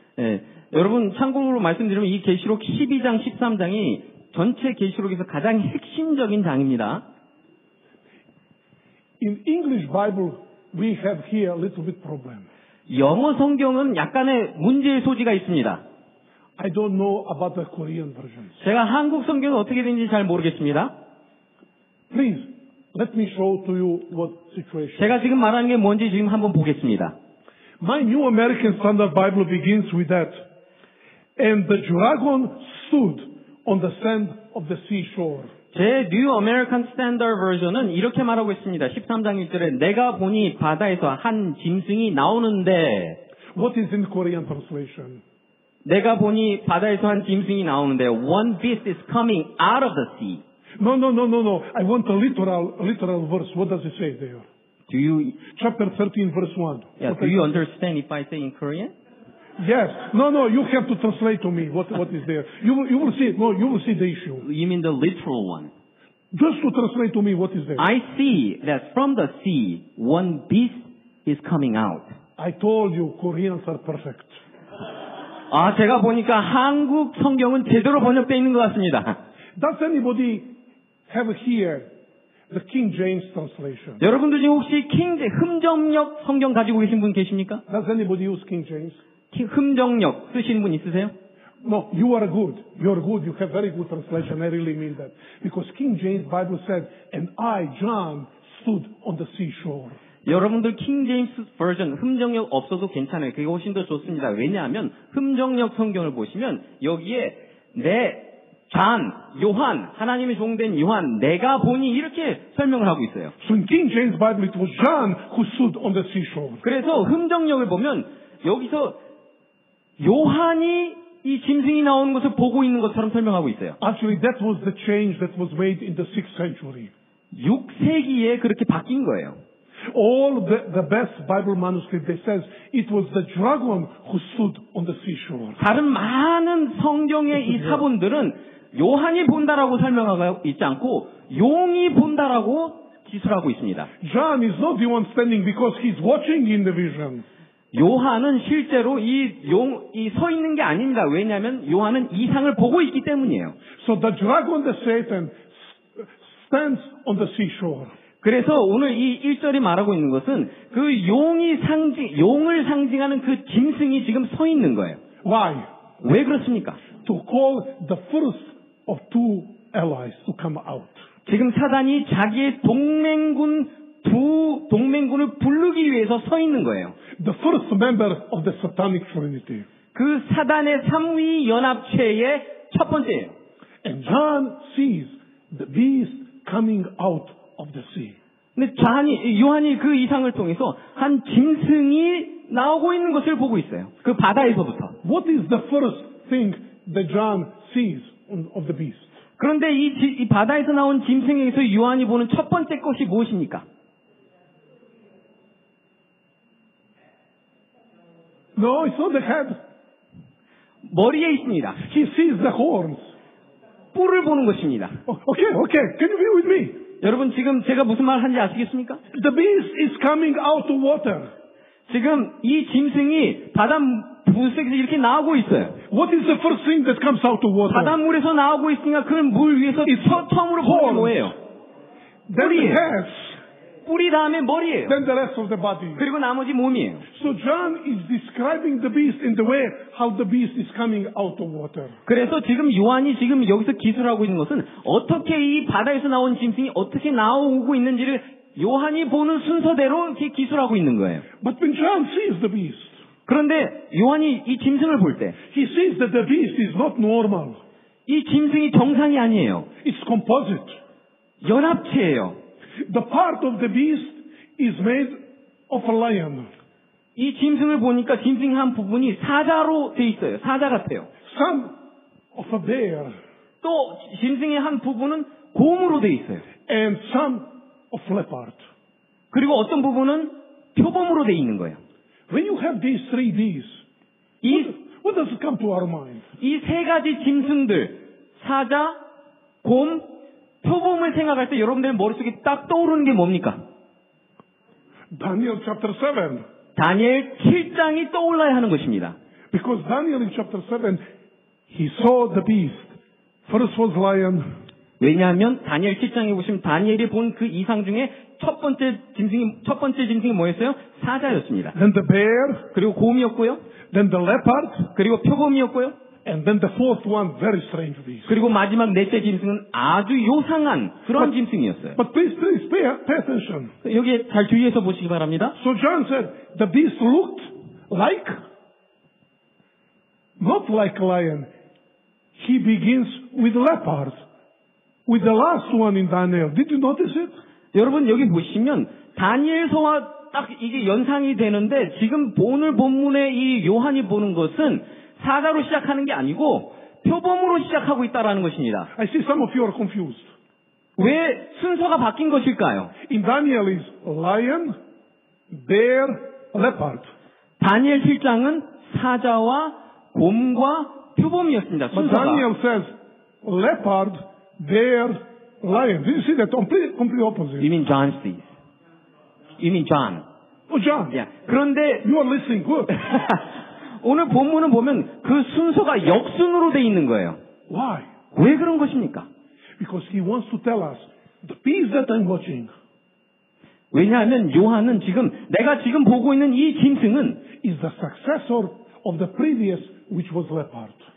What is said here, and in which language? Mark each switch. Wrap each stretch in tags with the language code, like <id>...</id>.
<ko>예, 여러분 참고로 말씀드리면 이 계시록 12장 13장이 전체 계시록에서 가장 핵심적인 장입니다.</ko> <en>In English Bible, we have here a little bit problem.</en> <ko>영어 성경은 약간의 문제의 소지가 있습니다.</ko> <en>I don't know about the Korean versions.</en> <ko>제가 한국 성경은 어떻게 되는지 잘 모르겠습니다.</ko> <en>Please let me show to you what situation.</en> <ko>제가 지금 말하는 게 뭔지 지금 한번 보겠습니다.</ko> <en>My New American Standard Bible begins with that. And the dragon stood on the sand of the seashore.</en> <ko>제 New American Standard Version은 이렇게 말하고 있습니다. 13장 1절에 내가 보니 바다에서 한 짐승이 나오는데</ko> <en>What is in Korean translation?</en> <ko>내가 보니 바다에서 한 짐승이 나오는데</ko> <en>One beast is coming out of the sea. No, no, no, no, no. I want a literal verse. What does it say there? Do you chapter 13 verse 1. Yeah, okay. Do you understand if I say in Korean? Yes. No, no, you have to translate to me what is there. You will see it. No, you will see the issue. You mean the literal one? Just to translate to me what is there. I see that from the sea one beast is coming out. I told you Koreans are perfect.</en> <ko>아, 제가 보니까 한국 성경은 제대로 번역되어 있는 것 같습니다.</ko> <en>Does anybody have here the King James translation?</en> <ko>여러분들 중 혹시 킹 흠정역 성경 가지고 계신 분 계십니까?</ko> <en>Does anybody use King James?</en> <ko>흠정역 쓰시는 분 있으세요?</ko> <en>No, you are good. You are good. You have very good translation. I really mean that. Because King James Bible said, "And I, John, stood on the seashore."</en> <ko>여러분들 킹 제임스 버전 흠정역 없어도 괜찮아요. 그게 훨씬 더 좋습니다. 왜냐하면 흠정역 성경을 보시면 여기에 내 잔, 요한, 하나님의 종된 요한, 내가 보니 이렇게 설명을 하고 있어요.</ko> <en>So in King James Bible, it was John who stood on the seashore.</en> <ko>그래서 흠정역을 보면 여기서 요한이 이 짐승이 나오는 것을 보고 있는 것처럼 설명하고 있어요.</ko> <en>Actually, that was the change that was made in the 6th century.</en> <ko>6세기에 그렇게 바뀐 거예요.</ko> <en>All the best Bible manuscript they says it was the dragon who stood on the seashore.</en> <ko>다른 많은 성경의 이 사본들은 요한이 본다라고 설명하고 있지 않고 용이 본다라고 기술하고 있습니다.</ko> <en>John is not the one standing because he's watching in the vision.</en> <ko>요한은 실제로 이 용이 서 있는 게 아닙니다. 왜냐하면 요한은 이상을 보고 있기 때문이에요.</ko> <en>So the dragon, the Satan, stands on the seashore.</en> <ko>그래서 오늘 이 1절이 말하고 있는 것은 그 용이 상징, 용을 상징하는 그 짐승이 지금 서 있는 거예요.</ko> <en>Why?</en> <ko>왜 그렇습니까?</ko> <en>To call the first of two allies to come out.</en> <ko>지금 사단이 자기의 동맹군 두 동맹군을 부르기 위해서 서 있는 거예요.</ko> <en>The first member of the satanic trinity.</en> <ko>그 사단의 3위 연합체의 첫 번째예요.</ko> <en>And John sees the beast coming out.</en> <ko>근데 요한이, 요한이 그 이상을 통해서 한 짐승이 나오고 있는 것을 보고 있어요. 그 바다에서부터.</ko> <en>What is the first thing that John sees of the beast?</en> <ko>그런데 이 바다에서 나온 짐승에서 요한이 보는 첫 번째 것이 무엇입니까?</ko> <en>No, it's not the head.</en> <ko>머리에 있습니다.</ko> <en>He sees the horns.</en> <ko>뿔을 보는 것입니다.</ko> <en>Okay, okay. Can you be with me?</en> <ko>여러분 지금 제가 무슨 말을 하는지 아시겠습니까?</ko> <en>The beast is coming out of water.</en> <ko>지금 이 짐승이 바닷물에서 이렇게 나오고 있어요.</ko> <en>What is the first thing that comes out of water?</en> <ko>바닷물에서 나오고 있으니까 그걸 물 위에서 처음으로 보는 거예요. 뿌리에. 뿌리 다음에 머리예요.</ko> <en>Then the rest of the body.</en> <ko>그리고 나머지 몸이에요.</ko> <en>So John is describing the beast in the way how the beast is coming out of water.</en> <ko>그래서 지금 요한이 지금 여기서 기술하고 있는 것은 어떻게 이 바다에서 나온 짐승이 어떻게 나오고 있는지를 요한이 보는 순서대로 이렇게 기술하고 있는 거예요.</ko> <en>But when John sees the beast,</en> <ko>그런데 요한이 이 짐승을 볼 때,</ko> <en>he sees that the beast is not normal.</en> <ko>이 짐승이 정상이 아니에요.</ko> <en>It's composite.</en> <ko>연합체예요.</ko> <en>The part of the beast is made of a lion.</en> <ko>이 짐승을 보니까 짐승 한 부분이 사자로 돼 있어요. 사자 같아요.</ko> <en>Some of a bear.</en> <ko>또 짐승의 한 부분은 곰으로 돼 있어요.</ko> <en>And some of a leopard.</en> <ko>그리고 어떤 부분은 표범으로 돼 있는 거예요.</ko> <en>When you have these three beasts, what does come to our mind?</en> <ko>이 세 가지 짐승들, 사자, 곰, 표범을 생각할 때 여러분들의 머릿속에 딱 떠오르는 게 뭡니까?</ko> <en>Daniel chapter 7.</en> <ko>다니엘 7장이 떠올라야 하는 것입니다.</ko> <en>Because Daniel in chapter 7 he saw the beast. First was lion.</en> <ko>왜냐하면 다니엘 7장에 보시면 다니엘이 본 그 이상 중에 첫 번째 짐승이 뭐였어요? 사자였습니다.</ko> <en>Then the bear.</en> <ko>그리고 곰이었고요.</ko> <en>Then the leopard.</en> <ko>그리고 표범이었고요.</ko> <en>And then the fourth one, very strange beast.</en> <ko>그리고 마지막 넷째 짐승은 아주 요상한 그런 짐승이었어요.</ko> <en>But please, please pay attention.</en> <ko>여기 잘 주의해서 보시기 바랍니다.</ko> <en>So John said the beast looked like not like a lion. He begins with leopard. With the last one in Daniel. Did you notice it?</en> <ko>여러분 여기 보시면 다니엘서와 딱 이게 연상이 되는데 지금 오늘 본문에 이 요한이 보는 것은 사자로 시작하는 게 아니고 표범으로 시작하고 있다라는 것입니다.</ko> <en>I see some of you are confused.</en> <ko>왜 순서가 바뀐 것일까요?</ko> <en>In Daniel is lion, bear, leopard.</en> <ko>다니엘 7장은 사자와 곰과 표범이었습니다. 순서가.</ko> <en>But Daniel says leopard, bear, lion. Did you see that completely opposite? You mean John sees. You mean John. Oh, John. Yeah.</en> <ko>그런데</ko> <en>you are listening good.</en> <ko>오늘 본문을 보면 그 순서가 역순으로 돼 있는 거예요.</ko> <en>Why?</en> <ko>왜 그런 것입니까?</ko> <en>Because he wants to tell us the beast that I'm watching.</en> <ko>왜냐하면 요한은 지금 내가 지금 보고 있는 이 짐승은</ko> <en>is the successor of the previous which was leopard.</en>